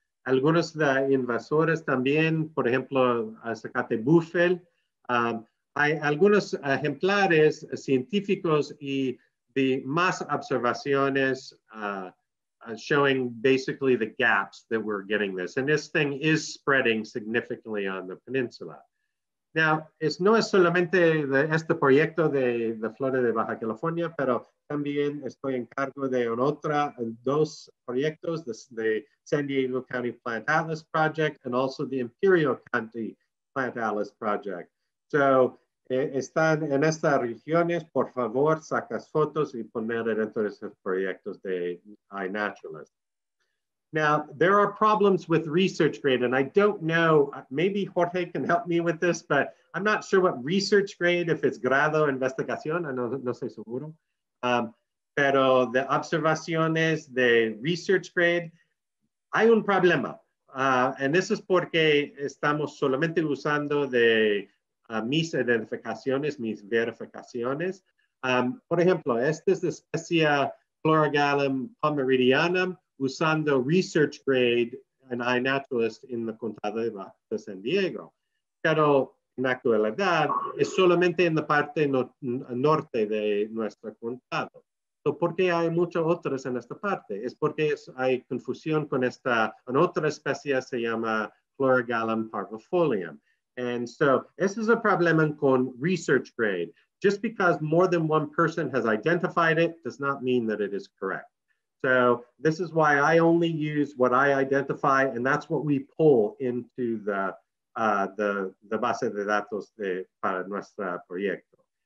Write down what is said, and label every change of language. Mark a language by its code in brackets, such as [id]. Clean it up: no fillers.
[es] Algunos de invasores también, por ejemplo, sacate búfel. Hay algunos ejemplares científicos y de más observaciones [en] showing basically the gaps that we're getting this. And this thing is spreading significantly on the peninsula. [es] Now, es no es solamente de este proyecto de la flora de Baja California, pero también estoy en cargo de otra dos proyectos, [en] the San Diego County Plant Atlas Project [es] and also the Imperial County Plant Atlas Project. So, están en estas regiones, por favor, sacas fotos y poner dentro de esos proyectos de iNaturalist. [en] Now, there are problems with research grade, and I don't know, maybe Jorge can help me with this, but I'm not sure what research grade, if it's [es] grado investigación, no sé seguro, pero [en] the observaciones de research grade, [es] hay un problema. [en] And this is [es] porque estamos solamente usando de mis identificaciones, mis verificaciones. Por ejemplo, esta es la especie Florigallum pomeridianum, usando [en] research grade and iNaturalist in the [es] Condado de San Diego. Pero en actualidad es solamente en la parte norte de nuestro condado. So, ¿por qué hay muchas otras en esta parte? Es porque hay confusión con esta, en otra especie se llama Florigallum parvifolium. [en] And so this is a problem con research grade. Just because more than one person has identified it does not mean that it is correct. So this is why I only use what I identify, and that's what we pull into the [es] base de datos de para nuestro proyecto.